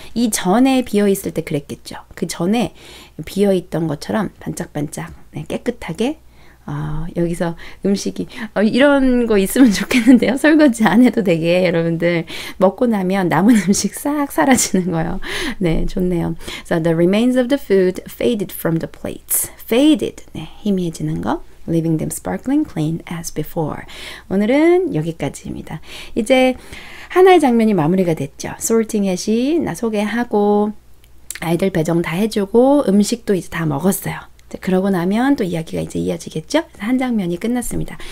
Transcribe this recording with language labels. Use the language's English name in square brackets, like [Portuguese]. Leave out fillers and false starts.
[Korean] 이 전에 비어 있을 때 그랬겠죠. 그 전에 비어 있던 것처럼 반짝반짝 네, 깨끗하게 여기서 음식이 이런 거 있으면 좋겠는데요. 설거지 안 해도 되게 여러분들 먹고 나면 남은 음식 싹 사라지는 거예요. 네, 좋네요. [English] So the remains of the food faded from the plates. Faded. [Korean] 네, 희미해지는 거. [English] leaving them sparkling clean as before. [Korean] 오늘은 여기까지입니다. 이제 하나의 장면이 마무리가 됐죠. Sorting hat이 나 소개하고 아이들 배정 다 해주고 음식도 이제 다 먹었어요. 그러고 나면 또 이야기가 이제 이어지겠죠? 한 장면이 끝났습니다.